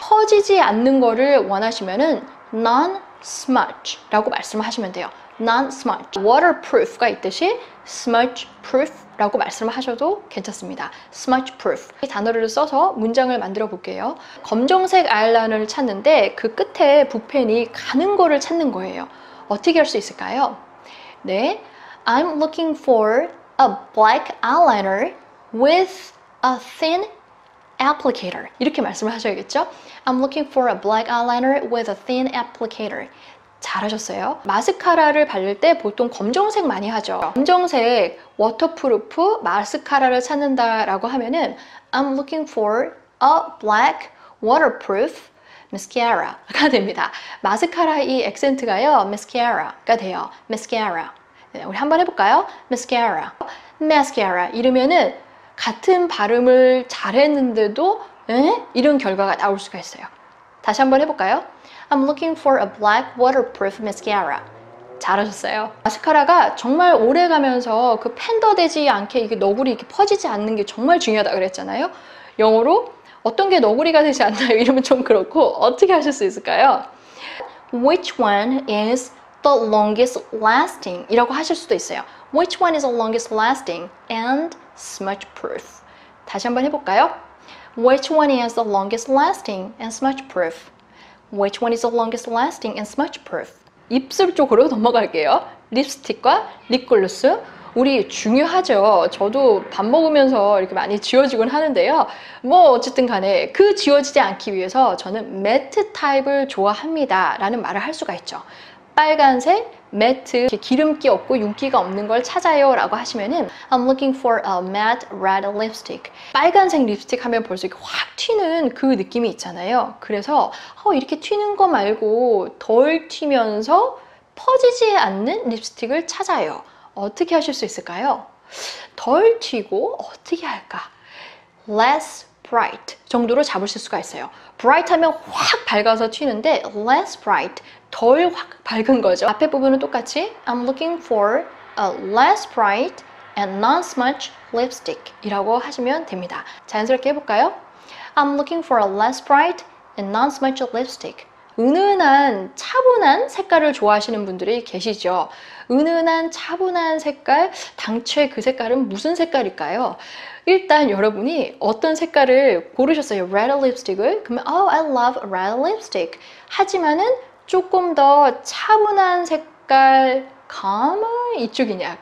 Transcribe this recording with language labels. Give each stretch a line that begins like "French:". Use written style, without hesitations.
Korean: 퍼지지 않는 거를 원하시면은 non smudge 라고 말씀을 하시면 돼요. non smudge. waterproof 가 있듯이 smudge proof 라고 말씀을 하셔도 괜찮습니다. smudge proof. 이 단어를 써서 문장을 만들어 볼게요. 검정색 아이라인을 찾는데 그 끝에 붓펜이 가는 거를 찾는 거예요. 어떻게 할 수 있을까요? 네.
English: I'm looking for a black eyeliner with a thin applicator.
Korean: 이렇게 말씀을 하셔야겠죠?
English: I'm looking for a black eyeliner with a thin applicator.
Korean: 잘하셨어요. 마스카라를 바를 때 보통 검정색 많이 하죠. 검정색 워터프루프 마스카라를 찾는다라고 하면은
English: I'm looking for a black waterproof mascara
Korean: 가 됩니다. 마스카라 이 액센트가요. mascara가 돼요. mascara. 네, 우리 한번 해볼까요? mascara. mascara 이러면은 같은 발음을 잘했는데도 에? 이런 결과가 나올 수가 있어요. 다시 한번 해볼까요?
English: I'm looking for a black waterproof mascara.
Korean: 잘하셨어요. 마스카라가 정말 오래 가면서 그 팬더 되지 않게 이게 너구리 이렇게 퍼지지 않는 게 정말 중요하다 그랬잖아요. 영어로 어떤 게 너구리가 되지 않나요? 이러면 좀 그렇고 어떻게 하실 수 있을까요?
English: Which one is the longest lasting?
Korean: 이라고 하실 수도 있어요.
English: Which one is the longest lasting and smudge proof?
Korean: 다시 한번 해볼까요?
English: Which one is the longest lasting and smudge proof? Which one is the longest lasting and smudge proof?
Korean: 입술 쪽으로 넘어갈게요. 립스틱과 립글로스. 우리 중요하죠. 저도 밥 먹으면서 이렇게 많이 지워지곤 하는데요. 뭐 어쨌든 간에 그 지워지지 않기 위해서 저는 매트 타입을 좋아합니다. 라는 말을 할 수가 있죠. 빨간색, 매트, 이렇게 기름기 없고 윤기가 없는 걸 찾아요 라고 하시면은
English: I'm looking for a matte red lipstick.
Korean: 빨간색 립스틱 하면 벌써 이렇게 확 튀는 그 느낌이 있잖아요. 그래서 이렇게 튀는 거 말고 덜 튀면서 퍼지지 않는 립스틱을 찾아요. 어떻게 하실 수 있을까요? 덜 튀고 어떻게 할까? Less bright 정도로 잡으실 수가 있어요. Bright 하면 확 밝아서 튀는데 less bright 덜 확 밝은 거죠. 앞에 부분은 똑같이
English: I'm looking for a less bright and non-smudge lipstick
Korean: 이라고 하시면 됩니다. 자연스럽게 해볼까요?
English: I'm looking for a less bright and non-smudge lipstick.
Korean: 은은한 차분한 색깔을 좋아하시는 분들이 계시죠. 은은한 차분한 색깔, 당최 그 색깔은 무슨 색깔일까요? 일단 여러분이 어떤 색깔을 고르셨어요?
English: Red lipstick을?
Korean: 그러면
English: Oh, I love red lipstick.
Korean: 하지만은 조금 더 차분한 색깔,
English: calmer
Korean: 이쪽이냐?